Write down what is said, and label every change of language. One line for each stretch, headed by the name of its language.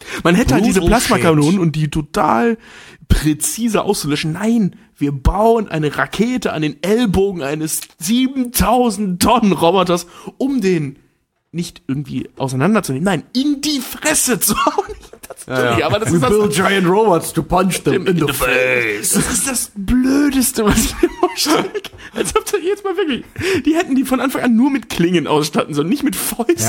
German: Man hätte halt diese Plasmakanonen und die total präzise auszulöschen. Nein, wir bauen eine Rakete an den Ellbogen eines 7000 Tonnen Roboters, um den nicht irgendwie auseinanderzunehmen. Nein, in die Fresse zu hauen.
English: Build giant robots to punch them in the face.
German: Das ist das Blödeste, was ich mir vorstelle. Als ob das jetzt mal wirklich. Die hätten die von Anfang an nur mit Klingen ausstatten sollen, nicht mit Fäusten.